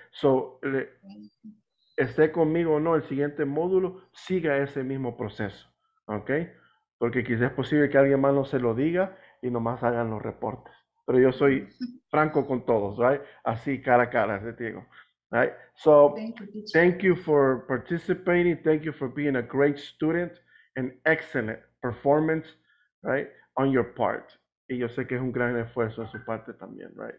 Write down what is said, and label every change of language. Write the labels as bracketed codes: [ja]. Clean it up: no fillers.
[es] So, esté conmigo o no, el siguiente módulo, siga ese mismo proceso. Okay? Porque quizás es posible que alguien más no se lo diga y nomás hagan los reportes. Pero yo soy franco con todos, right? Así cara a cara, te digo. [en] right? So thank you for participating. Thank you for being a great student and excellent performance, right, on your part. [es] Y yo sé que es un gran esfuerzo de su parte también, right?